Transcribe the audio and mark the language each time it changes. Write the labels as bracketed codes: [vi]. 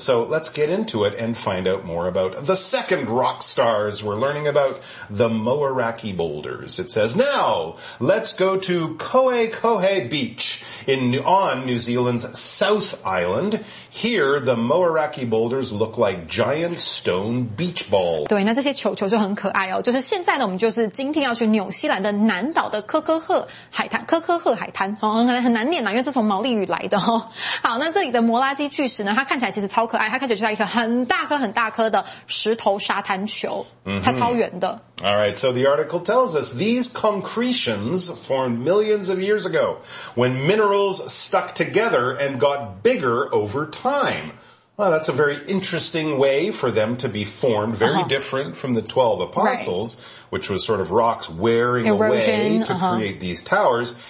[en] So let's get into it and find out more about the second rock stars we're learning about, the Moeraki boulders. It says, now let's go to Kohe Beach on New Zealand's South Island. Here, the Moeraki boulders look like giant stone beach balls. [zh] 对，那这些球球就很可爱哦。就是现在呢，我们就是今天要去纽西兰的南岛的科科赫海滩，科科赫海滩，很难念啊，因为是从毛利语来的哦。好，那这里的摩拉基巨石呢，它看起来其实超可爱，它看起来就像一颗很大颗很大颗的石头沙滩球，它超圆的。 [en] All right, so the article tells us these concretions formed millions of years ago when minerals stuck together and got bigger over time. Well, that's a very interesting way for them to be formed, very different from the 12 apostles, which was sort of rocks wearing away to create these towers.